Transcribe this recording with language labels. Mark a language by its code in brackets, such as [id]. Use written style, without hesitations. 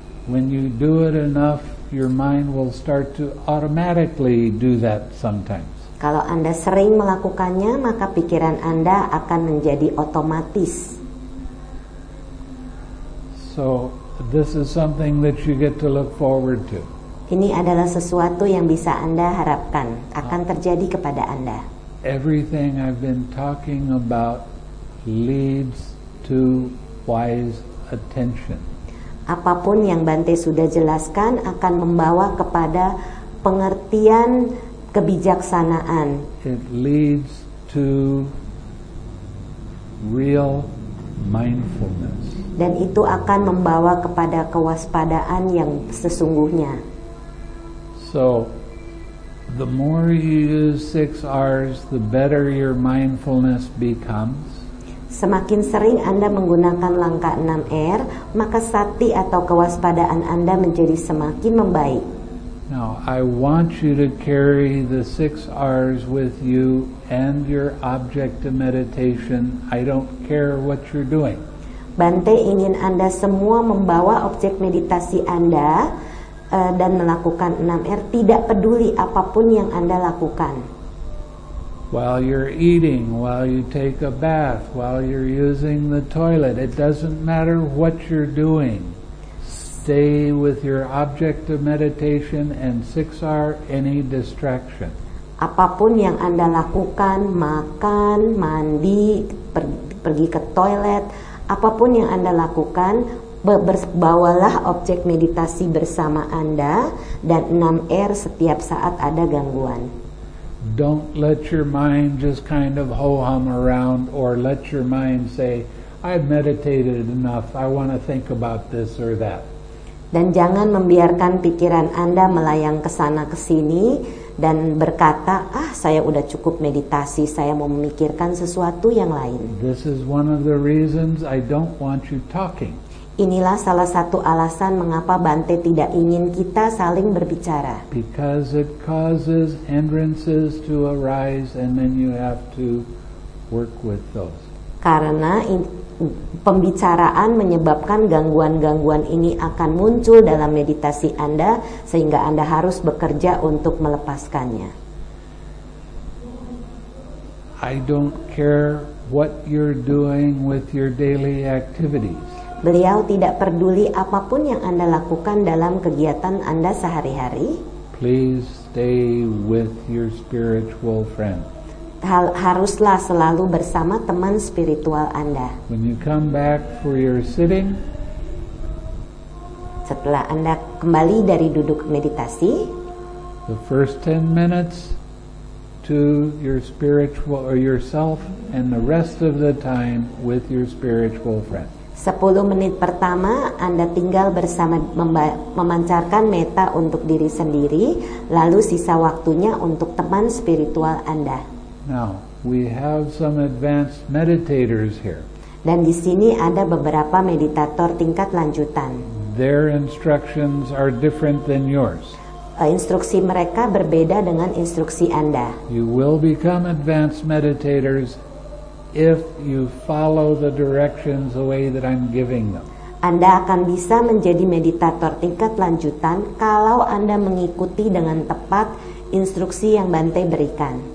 [en] When you do it enough, your mind will start to automatically do that sometimes. [id] Kalau Anda sering melakukannya, maka pikiran Anda akan menjadi otomatis. [en] So, this is something that you get to look forward to. [id] Ini adalah sesuatu yang bisa Anda harapkan akan terjadi kepada Anda. [en] Everything I've been talking about leads to wise attention. [id] Apapun yang Bante sudah jelaskan akan membawa kepada pengertian kebijaksanaan. [en] It leads to real mindfulness. [id] Dan itu akan membawa kepada kewaspadaan yang sesungguhnya. [en] So, the more you use six R's, the better your mindfulness becomes. [id] Semakin sering Anda menggunakan langkah 6R, maka sati atau kewaspadaan Anda menjadi semakin membaik. [en] Now, I want you to carry the 6 R's with you and your object of meditation. I don't care what you're doing. [id] Bante ingin Anda semua membawa objek meditasi Anda dan melakukan 6R, tidak peduli apapun yang Anda lakukan. [en] While you're eating, while you take a bath, while you're using the toilet, it doesn't matter what you're doing. Stay with your object of meditation and 6R, any distraction. [id] Apapun yang Anda lakukan, makan, mandi, pergi ke toilet, apapun yang Anda lakukan, bawalah objek meditasi bersama Anda dan 6R setiap saat ada gangguan. [en] Don't let your mind just kind of ho-hum around, or let your mind say, I've meditated enough, I want to think about this or that. [id] Dan jangan membiarkan pikiran Anda melayang ke sana ke sini dan berkata, ah, saya udah cukup meditasi, saya mau memikirkan sesuatu yang lain. [en] This is one of the reasons I don't want you talking. [id] Inilah salah satu alasan mengapa Bante tidak ingin kita saling berbicara. [en] Because it causes hindrances to arise and then you have to work with those. [id] Karena pembicaraan menyebabkan gangguan-gangguan ini akan muncul dalam meditasi Anda sehingga Anda harus bekerja untuk melepaskannya. [en] I don't care what you're doing with your daily activities. [id] Beliau tidak peduli apapun yang Anda lakukan dalam kegiatan Anda sehari-hari. [en] Please stay with your spiritual friend. [id] Haruslah selalu bersama teman spiritual Anda. [en] When you come back for your sitting, [id] setelah Anda kembali dari duduk meditasi, [en] the first 10 minutes to your spiritual or yourself and the rest of the time with your spiritual friend. [id] 10 menit pertama Anda tinggal bersama memancarkan metta untuk diri sendiri, lalu sisa waktunya untuk teman spiritual Anda. [en] Now, we have some advanced meditators here. [id] Dan di sini ada beberapa meditator tingkat lanjutan. [en] Their instructions are different than yours. [id] Instruksi mereka berbeda dengan instruksi Anda. [en] You will become advanced meditators if you follow the directions the way that I'm giving them. [id] Anda akan bisa menjadi meditator tingkat lanjutan kalau Anda mengikuti dengan tepat instruksi yang Bante berikan.